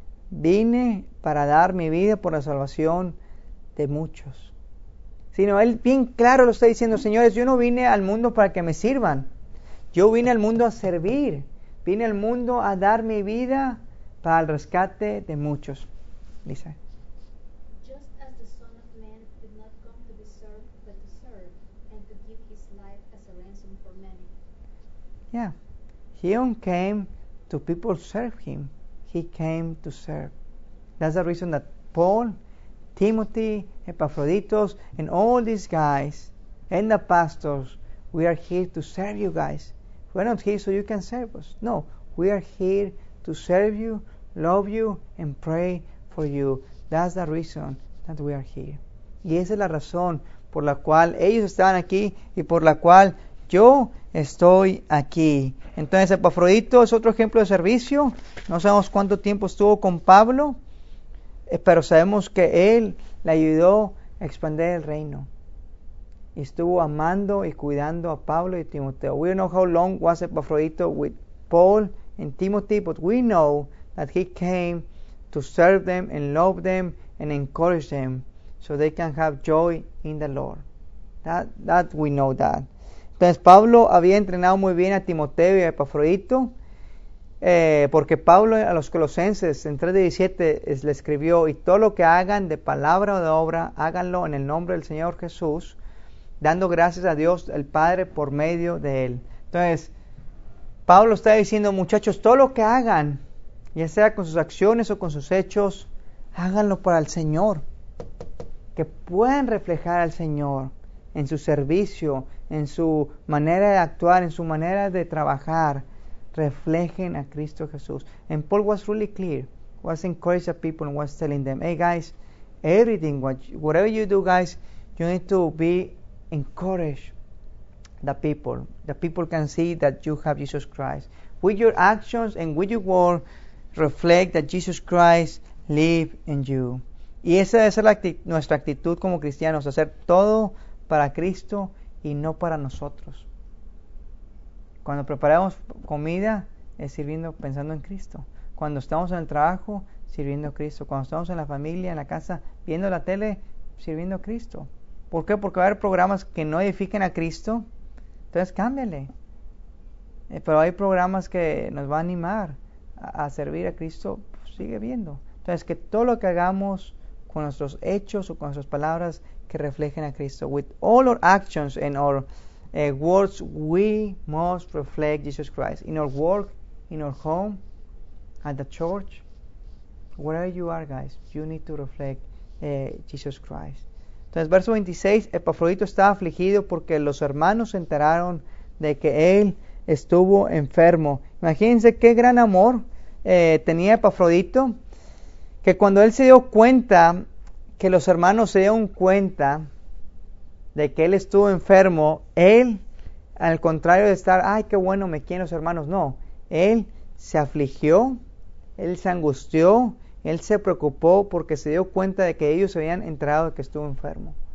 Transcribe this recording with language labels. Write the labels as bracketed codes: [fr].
[es] Vine para dar mi vida por la salvación de muchos. Sino él bien claro lo está diciendo, señores, yo no vine al mundo para que me sirvan. Yo vine al mundo a servir. Vine al mundo a dar mi vida para el rescate de muchos. Dice. [en] Just as the Son of Man did not come to be served, but to serve, and to give his life as a ransom for many. Yeah. He came to people serve him. He came to serve. That's the reason that Paul, Timothy, Epaphroditus, and all these guys, and the pastors, we are here to serve you guys. We're not here so you can serve us. No, we are here to serve you, love you, and pray for you. That's the reason that we are here. [es] Y esa es la razón por la cual ellos estaban aquí y por la cual yo estoy aquí. Entonces, Epafrodito es otro ejemplo de servicio. No sabemos cuánto tiempo estuvo con Pablo, pero sabemos que él le ayudó a expandir el reino. Y estuvo amando y cuidando a Pablo y Timoteo. [en] We don't know how long was Epafrodito with Paul and Timothy, but we know that he came to serve them and love them and encourage them so they can have joy in the Lord. That we know that. [es] Entonces, Pablo había entrenado muy bien a Timoteo y a Epafrodito, porque Pablo a los Colosenses en 3:17 le escribió, y todo lo que hagan de palabra o de obra, háganlo en el nombre del Señor Jesús, dando gracias a Dios el Padre por medio de él. Entonces, Pablo está diciendo, muchachos, todo lo que hagan, ya sea con sus acciones o con sus hechos, háganlo para el Señor, que puedan reflejar al Señor en su servicio, en su manera de actuar, en su manera de trabajar, reflejen a Cristo Jesús. [en] And Paul was really clear, was encouraging the people and was telling them, hey guys, everything, whatever you do guys, you need to be encouraged the people. The people can see that you have Jesus Christ. With your actions and with your word, reflect that Jesus Christ lives in you. [es] Y esa es nuestra actitud como cristianos, hacer todo para Cristo y no para nosotros. Cuando preparamos comida, es sirviendo, pensando en Cristo. Cuando estamos en el trabajo, sirviendo a Cristo. Cuando estamos en la familia, en la casa, viendo la tele, sirviendo a Cristo. ¿Por qué? Porque va a haber programas que no edifiquen a Cristo. Entonces, cámbiale. Pero hay programas que nos van a animar a servir a Cristo. Pues, sigue viendo. Entonces, que todo lo que hagamos con nuestros hechos o con nuestras palabras, que reflejen a Cristo. [en] With all our actions and our words, we must reflect Jesus Christ. In our work, in our home, at the church, wherever you are, guys, you need to reflect Jesus Christ. [es] Entonces, verso 26, Epafrodito estaba afligido porque los hermanos se enteraron de que él estuvo enfermo. Imagínense qué gran amor tenía Epafrodito, que cuando él se dio cuenta que los hermanos se dieron cuenta de que él estuvo enfermo, él, al contrario de estar, ay, qué bueno, me quieren los hermanos, no, él se afligió, él se angustió, él se preocupó porque se dio cuenta de que ellos se habían enterado de que estuvo enfermo.